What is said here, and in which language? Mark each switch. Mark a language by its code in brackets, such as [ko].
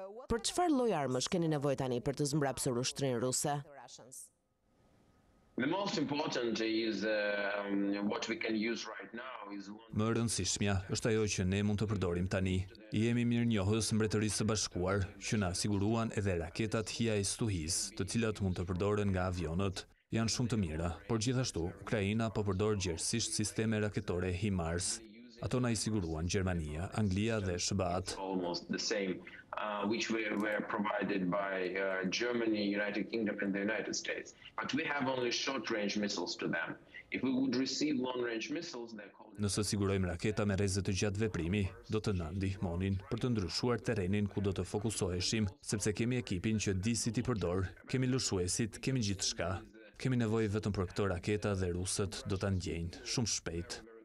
[sq] Për çfarë lloj armësh keni nevojë tani për të zmbrapsur ushtrinë ruse? [en] The most important is what we can use right now is one. [sq] Më rëndësishmja është ajo që ne mund të përdorim tani. I jemi mirënjohës Mbretërisë së Bashkuar që na siguruan edhe raketat HIAS-2HIS, të cilat mund të përdoren nga avionët. Janë shumë të mira, por gjithashtu Ukraina po përdor gjerësisht sisteme raketore HIMARS. Ato na i siguruan Gjermania, Anglia dhe SHBAT. [en] Almost the same which were provided by Germany, United Kingdom and the United States. But we have only short range missiles to them. If we would receive long range missiles, they're called. [sq] Nëse sigurojmë raketa me rreze të gjatë veprimi, do të na ndihmonin për të ndryshuar terrenin ku do të fokusoheshim, sepse kemi ekipin që di si ti përdor, kemi lëshuesit, kemi gjithçka. Kemi nevojë vetëm për këto raketa dhe rusët do ta ndjejnë shumë shpejt.